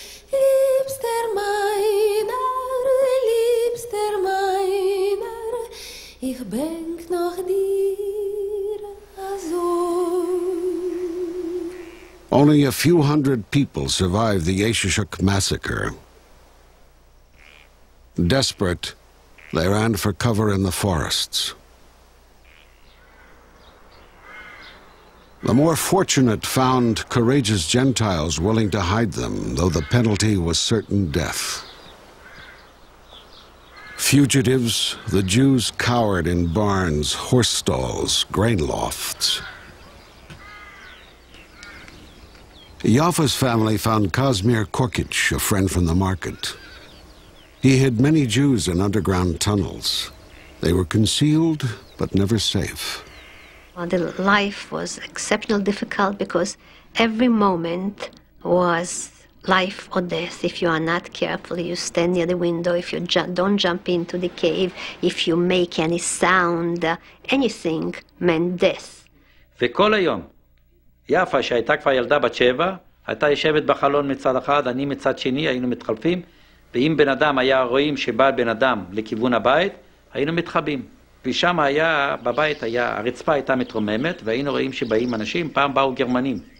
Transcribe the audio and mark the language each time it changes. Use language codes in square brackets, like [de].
[yi] Liebster meiner, liebster meiner, ich denk noch dir azoi. [en] Only a few hundred people survived the Eishyshok massacre. Desperate, they ran for cover in the forests. The more fortunate found courageous Gentiles willing to hide them, though the penalty was certain death. Fugitives, the Jews cowered in barns, horse stalls, grain lofts. Yaffa's family found Kazimir Korkic, a friend from the market. He hid many Jews in underground tunnels. They were concealed, but never safe. Well, the life was exceptionally difficult because every moment was life or death. If you are not careful, you stand near the window, if you don't jump into the cave, if you make any sound, anything meant death. [he] וכל היום, יפה שהייתה כבר ילדה בת שבע, הייתה יושבת בחלון מצד אחד, אני מצד שני, היינו מתחלפים, ואם בן אדם היה רואים שבא בן אדם לכיוון הבית, היינו מתחבים. ושם היה, בבית היה, הרצפה הייתה מתרוממת, והיינו רואים שבאים אנשים, פעם באו גרמנים.